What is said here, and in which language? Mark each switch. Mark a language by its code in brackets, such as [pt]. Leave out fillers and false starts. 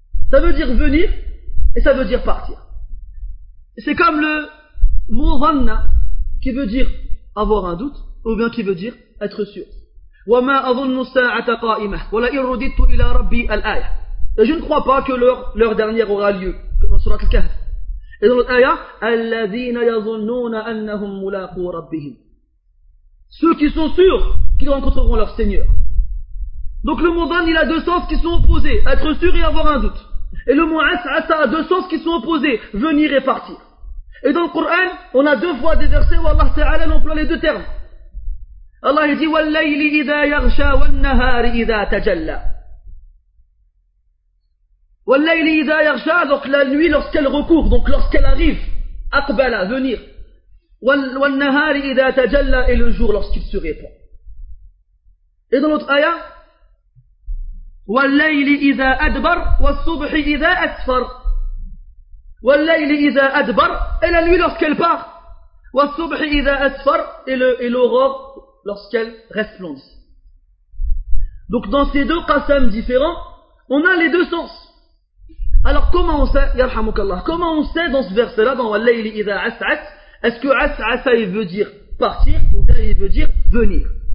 [fr] Ça veut dire venir et ça veut dire partir. C'est comme le mot vanna qui veut dire avoir un doute, ou bien qui veut dire être sûr. [ar] وَمَا أَظُنُّ السَّاعَةَ قَائِمَةً وَلَئِن رُدِدْتُ إِلَى رَبِّي الْآيَةَ. [fr] Et je ne crois pas que leur dernière aura lieu dans surat Al-Kahf. Et dans l'aya, [ar] الَّذِينَ يَظُنُّونَ أَنَّهُمْ مُلَاقُوا رَبِّهِمْ. [fr] Ceux qui sont sûrs qu'ils rencontreront leur Seigneur. Donc le mot dhan, il a deux sens qui sont opposés, être sûr et avoir un doute. Et le mot as'asa a deux sens qui sont opposés, venir et partir. Et dans le Coran, on a deux fois des versets où Allah Ta'ala emploie les deux termes. Allah dit [ar] وَاللَّيْلِ إِذَا يَغْشَى وَالنَّهَارِ إِذَا تَجَلَّى. وَاللَّيْلِ إِذَا يَغْشَى, [fr] donc la nuit lorsqu'elle recouvre, donc lorsqu'elle arrive, أَقْبَلَ, venir. [ar] وَالنَّهَارِ إِذَا تَجَلَّى, [fr] et le jour lorsqu'il se répand. Et dans l'autre ayah, [ar] وَاللَّيْلِ إِذَا أَدْبَرَ وَالصُّبْحِ إِذَا أَسْفَرَ. وَاللَّيْلِ إِذَا أَدْبَرَ, [fr] et la nuit lorsqu'elle part. [ar] وَالصُّبْحِ إِذَا أَسْفَرَ, [fr] et l'aurore lorsqu'elle resplendit. Donc dans ces deux qasam différents, on a les deux sens. Alors comment on sait, yarhamukallah, comment on sait dans ce verset-là, dans [ar] وَاللَّيْلِ إِذَا أَسْعَسَ, [fr] est-ce que as'asa il veut dire partir, ou bien il veut dire venir?